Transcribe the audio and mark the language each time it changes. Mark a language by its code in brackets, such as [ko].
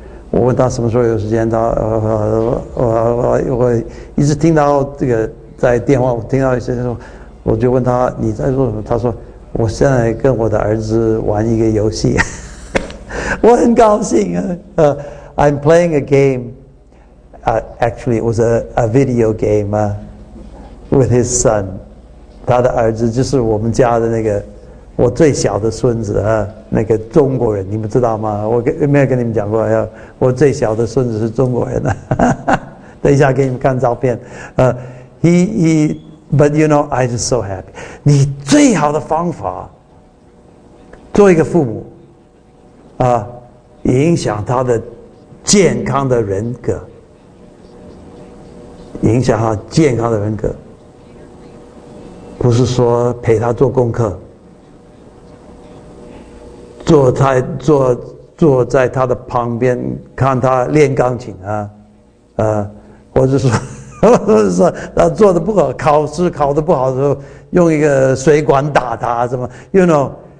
[zh] 我问他什么时候有时间，我一直听到这个在电话，我听到一些说，我就问他你在做什么？他说我现在跟我的儿子玩一个游戏。我很高兴啊！ [en] I'm playing a game. Actually, it was a video game with his son. [zh] 他的儿子就是我们家的那个我最小的孙子啊，那个中国人，你们知道吗？我没有跟你们讲过，我最小的孙子是中国人。等一下给你们看照片。 [en] He, but you know, I'm just so happy. [zh] 你最好的方法，做一个父母。影响他的健康的人格，影响他健康的人格，不是说陪他做功课，坐在他的旁边看他练钢琴啊，或者说他做的不好，考试考的不好的时候用一个水管打他，什么 ，you know。